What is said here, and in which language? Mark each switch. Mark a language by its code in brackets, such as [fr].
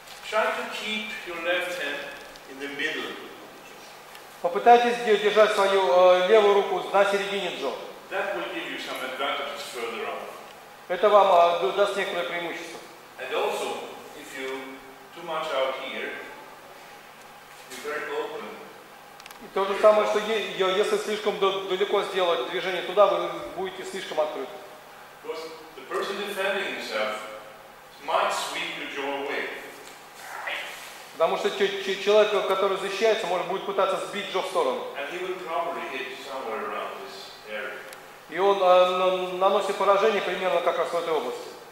[en] Try to keep your left hand. [ru] Попытайтесь держать свою левую руку на середине джо. [en] That will give you some advantages further on. [ru] Это вам даст некоторое преимущество. [en] And also, if you too much out here, you're very open. [ru] И то же самое, что если слишком далеко сделать движение туда, вы будете слишком открыты. [en] Because the person defending himself might sweep your jaw away. [ru] Потому что человек, который защищается, может будет пытаться сбить Джо в сторону. [en] And he will probably hit somewhere around this area. [ru] И он наносит поражение примерно как раз в этой области.